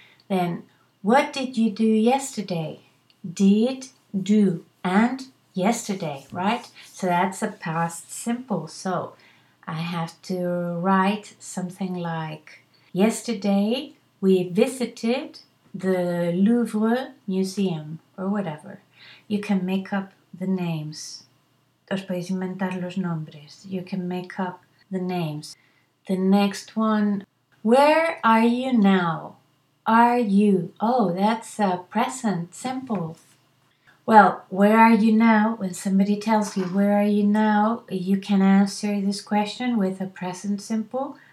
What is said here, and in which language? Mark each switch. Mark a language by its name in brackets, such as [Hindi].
[English] Then, what did you do yesterday? Did, do, and yesterday, right? So that's a past simple. So I have to write something like, yesterday we visited the Louvre Museum, or whatever. You can make up the names. [Spanish] Os podéis inventar los nombres. [English] You can make up the names. The next one. Where are you now? Are you? Oh, that's a present simple. Well, where are you now? When somebody tells you, where are you now? You can answer this question with a present simple.